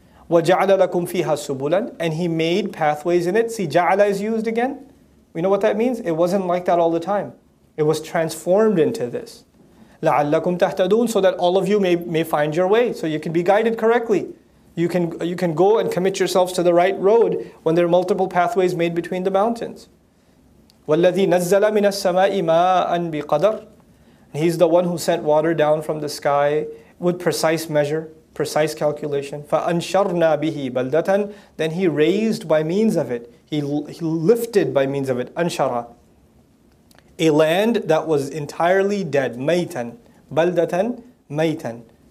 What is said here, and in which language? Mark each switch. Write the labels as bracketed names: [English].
[Arabic] وَجَعَلَ لَكُمْ فِيهَا سُبُلًا. [English] And he made pathways in it. See, ja'ala is used again. We know what that means? It wasn't like that all the time. It was transformed into this. [Arabic] لَعَلَّكُمْ تَهْتَدُونَ. [English] So that all of you may find your way. So you can be guided correctly. You can go and commit yourselves to the right road when there are multiple pathways made between the mountains. [Arabic] والذي نزل من السماء ماء بقدر. [English] He's the one who sent water down from the sky with precise measure, precise calculation. [Arabic] فَأَنْشَرْنَا بِهِ بَلْدَةً. [English] Then he raised by means of it. He lifted by means of it. أَنْشَرَ. A land that was entirely dead. [Arabic] مَيْتًا. بَلْدَةً. مَيْتًا.